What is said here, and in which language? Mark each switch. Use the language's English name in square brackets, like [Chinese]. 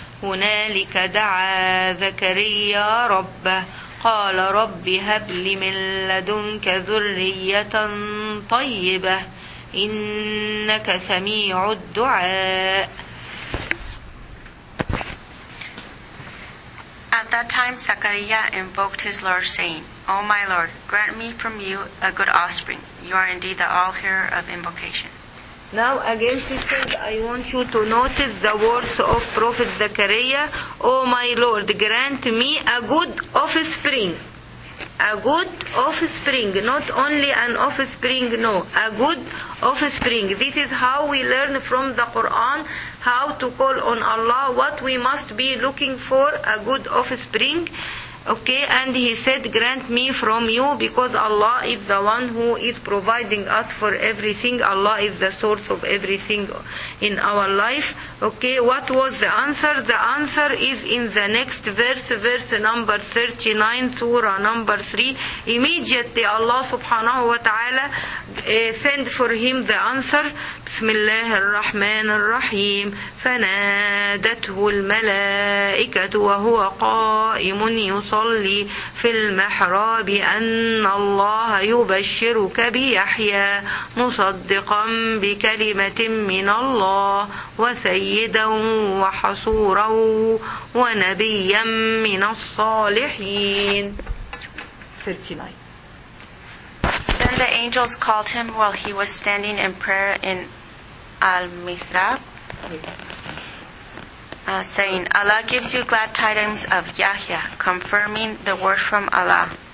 [Arabic] هنالك دعا زكريا ربه قال رب هب لي من لدنك ذرية طيبة إنك سميع الدعاء. [English] At that time Zakariya invoked his Lord saying, O my Lord, grant me from you a good offspring. You are indeed the all hearer of invocation. Now again, sisters, I want you to notice the words of Prophet Zakariya. Oh my Lord, grant me a good offspring. A good offspring, not only an offspring, no. A good offspring. This is how we learn from the Quran how to call on Allah, what we must be looking for, a good offspring. Okay, and he said, grant me from you, because Allah is the one who is providing us for everything. Allah is the source of everything in our life. Okay, what was the answer? The answer is in the next verse, verse number 39, surah number 3. Immediately Allah subhanahu wa ta'ala send for him the answer. [Arabic] Bismillah ar-Rahman ar-Rahim. فنادته الملائكة وهو قائم يصلي في المحراب أن الله يبشرك بيحيى مصدقا بكلمة من الله وسيدا وحصورا ونبيا من الصالحين. [English] 39. Then the angels called him while he was standing in prayer in Al-Mihrab, saying, Allah gives you glad tidings of Yahya, confirming the word from Allah.